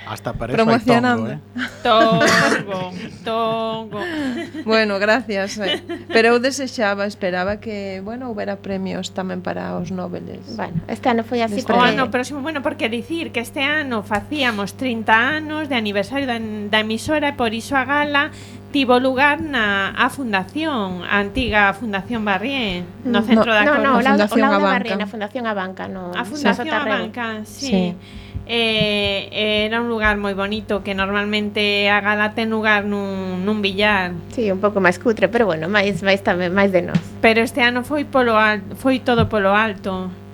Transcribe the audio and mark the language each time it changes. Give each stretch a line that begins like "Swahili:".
Spanish: Hasta para eso hay tongo, ¿eh? Tongo. Bueno, gracias.
Galician: Pero eu desexaba, esperaba que, bueno, houbera premios tamén para os nobeles. Bueno, este ano foi así. O ano próximo, bueno, porque dicir que este ano facíamos 30 anos de aniversario da emisora e por iso a gala tivo lugar na a fundación, a antiga Fundación Barrié, no centro no, da Coruña.
Spanish: No, no, la Fundación Abanca.
Galician: Na Fundación Abanca, no. A Fundación Abanca, sí. Era un lugar moi bonito que normalmente a gala ten lugar nun billar. Sí, un pouco máis cutre, pero bueno, máis tamén, máis de nós. Pero este ano foi todo polo alto.